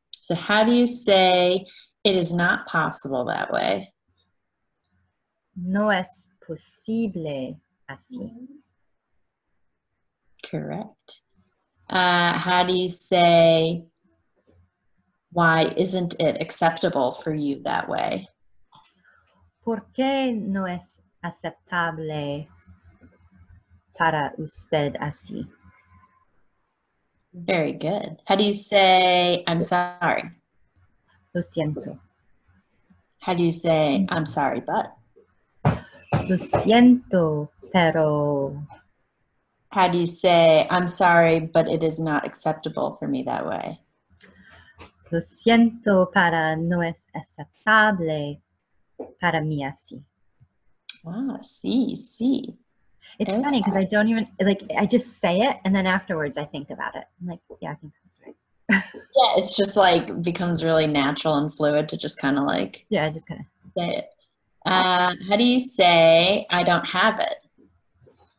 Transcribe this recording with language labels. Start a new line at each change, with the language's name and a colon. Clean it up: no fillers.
English: So how do you say... It is not possible that way.
Spanish: No es posible así.
English: Correct. How do you say, why isn't it acceptable for you that way?
Spanish: ¿Por qué no es aceptable para usted así?
English: Very good. How do you say, I'm sorry?
Spanish: Lo siento.
English: How do you say, I'm sorry, but?
Spanish: Lo siento, pero.
English: How do you say, I'm sorry, but it is not acceptable for me that way?
Spanish: Lo siento, para no es aceptable para mí así. Ah, sí.
English: It's funny because I don't even, like, I just say it and then afterwards I think about it. I'm like, yeah, I think that's right. Yeah, it's just like becomes really natural and fluid to just kind of like say it. How do you say I don't have it?